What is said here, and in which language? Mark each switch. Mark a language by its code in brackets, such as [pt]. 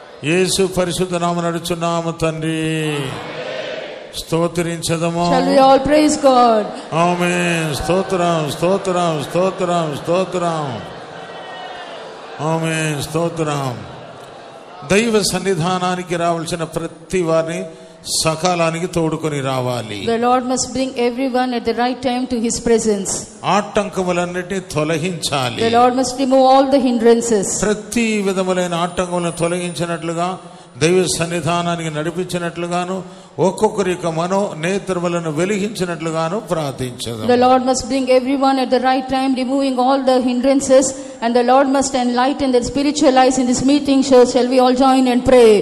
[te] యేసు పరిశుద్ధ నామ నడుచున్నాము తండ్రి, స్తోత్రించదము. [en] Shall we all praise God? [te] ఆమేన్. స్తోత్రం, స్తోత్రం, స్తోత్రం, స్తోత్రం. ఆమేన్. స్తోత్రం. దైవ సన్నిధానానికి రావాల్సిన ప్రతి వారిని సకాలానికి తోడుకొని రావాలి. [en] The Lord must bring everyone at the right time to his presence. [te] ఆటంకములన్నిటిని తొలగించాలి. [en] The Lord must remove all the hindrances. [te] ప్రతి విధములైన ఆటంకములను తొలగించినట్లుగా, దైవ సన్నిధానానికి నడిపించినట్లుగాను, ఒక్కొక్కరి యొక్క మనో నేత్రములను వెలిగించినట్లుగాను ప్రార్థించదు. [en] The Lord must bring everyone at the right time, removing all the hindrances, and the Lord must enlighten their spiritual eyes in this meeting. So shall we all join and pray.